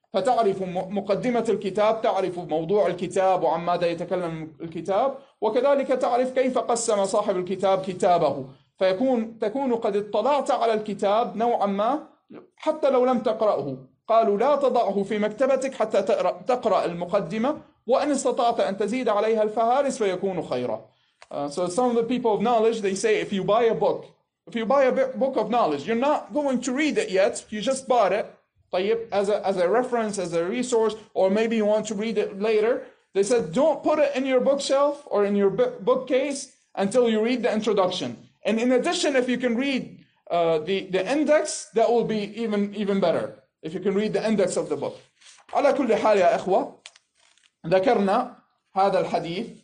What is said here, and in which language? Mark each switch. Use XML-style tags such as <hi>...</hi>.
<ar>فتعرف مقدمة الكتاب، تعرف موضوع الكتاب وعن ماذا يتكلم الكتاب، وكذلك تعرف كيف قسم صاحب الكتاب كتابه، تكون قد اطلعت على الكتاب نوعا ما حتى لو لم تقرأه. قالوا لا تضعه في مكتبتك حتى تقرأ المقدمة وإن استطعت أن تزيد عليها الفهارس فيكون خيرا.</ar> <en>So some of the people of knowledge, they say if you buy a book of knowledge, you're not going to read it yet, you just bought it, طيب, as a reference, as a resource, or maybe you want to read it later, they said don't put it in your bookshelf or in your bookcase until you read the introduction. And in addition, if you can read the index, that will be even better, if you can read the index of the book.</en> <ar>على كل حال يا إخوة, ذكرنا هذا الحديث.</ar>